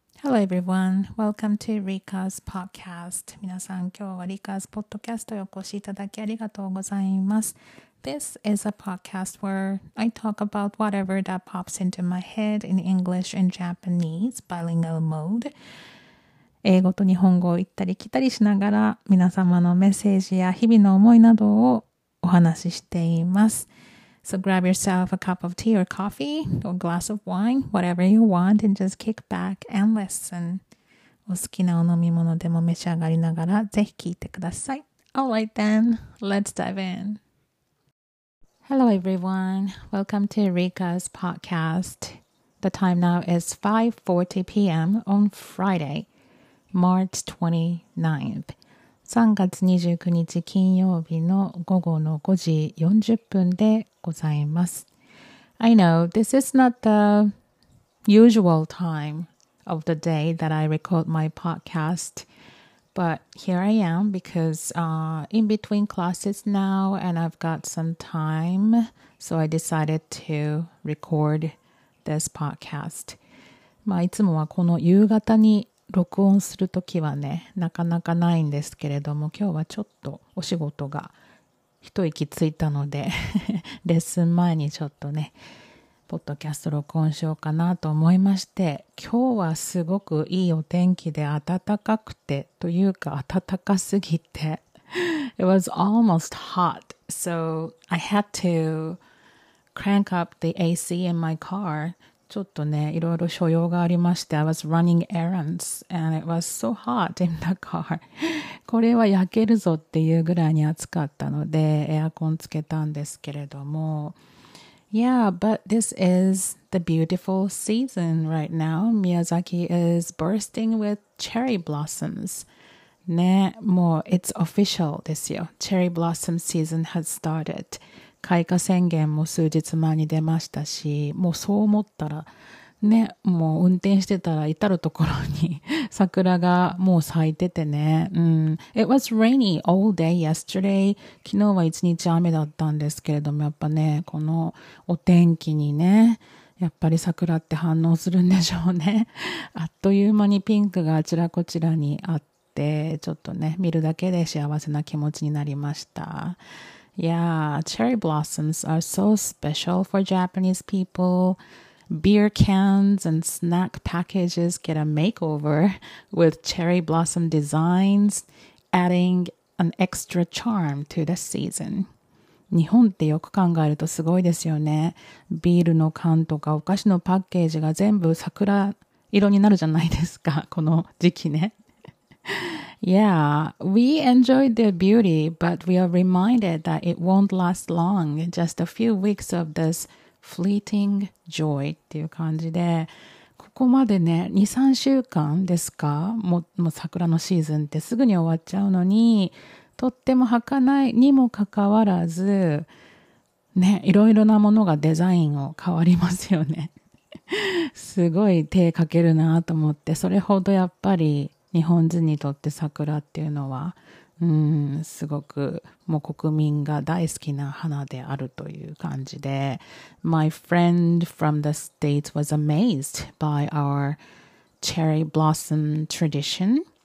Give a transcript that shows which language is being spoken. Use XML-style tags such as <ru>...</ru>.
<en>Hello everyone, welcome to Rika's podcast.</en> <ja>皆さん今日は Rika's podcast へお越しいただきありがとうございます。</ja> <en>This is a podcast where I talk about whatever that pops into my head in English and Japanese bilingual mode.</en> <ja>英語と日本語を言ったり来たりしながら皆様のメッセージや日々の思いなどをお話ししています。</ja> <en>So grab yourself a cup of tea or coffee or a glass of wine, whatever you want, and just kick back and listen.</en> <ja>お好きなお飲み物でも召し上がりながらぜひ聞いてください。</ja> <en>Alright then, let's dive in. Hello everyone, welcome to Rika's podcast. The time now is 5:40 p.m. on Friday, March 29th.</en> <ja>3月29日金曜日の午後の5時40分でございます。</ja> <en>I know, this is not the usual time of the day that I record my podcast, but here I am because in between classes now and I've got some time, so I decided to record this podcast.</en> <ja>まあ、いつもはこの夕方に録音するときはね、なかなかないんですけれども、今日はちょっとお仕事が一息ついたので、レッスン前にちょっとね、ポッドキャスト録音しようかなと思いまして、今日はすごくいいお天気で暖かくて、というか暖かすぎて。</ja> <en>It was almost hot, so I had to crank up the AC in my car.</en> <ja>ちょっとね、いろいろ所用がありまして、</ja> <en>I was running errands and it was so hot in the car.</en> <ja>これは焼けるぞっていうぐらいに暑かったので、エアコンつけたんですけれども。</ja> <en>Yeah, but this is the beautiful season right now. Miyazaki is bursting with cherry blossoms.</en> <ja>ね、もう</ja> <en>it's official</en> <ja>ですよ。</ja> <en>Cherry blossom season has started.</en> <ja>開花宣言も数日前に出ましたし、もうそう思ったらね、もう運転してたら至るところに桜がもう咲いててね、</ja> <en>It was rainy all day yesterday.</en> <ja>昨日は一日雨だったんですけれども、やっぱね、このお天気にね、やっぱり桜って反応するんでしょうね。あっという間にピンクがあちらこちらにあって、ちょっとね、見るだけで幸せな気持ちになりました。</ja> <en>Yeah, cherry blossoms are so special for Japanese people. Beer cans and snack packages get a makeover with cherry blossom designs, adding an extra charm to the season.</en> <ja>日本ってよく考えるとすごいですよね。ビールの缶とかお菓子のパッケージが全部桜色になるじゃないですか、この時期ね。</ja> <en>Yeah, we enjoy the beauty, but we are reminded that it won't last long. Just a few weeks of this fleeting joy</en> <ja>っていう感じで、ここまでね、2、3週間ですか、もう桜のシーズンってすぐに終わっちゃうのに、とっても儚いにもかかわらず、ね、いろいろなものがデザインを変わりますよね。すごい手かけるなと思って、それほどやっぱり、日本人にとって桜っていうのは、すごくもう国民が大好きな花であるという感じで、</ja> <en>My friend from the States was amazed by our cherry blossom tradition.</en>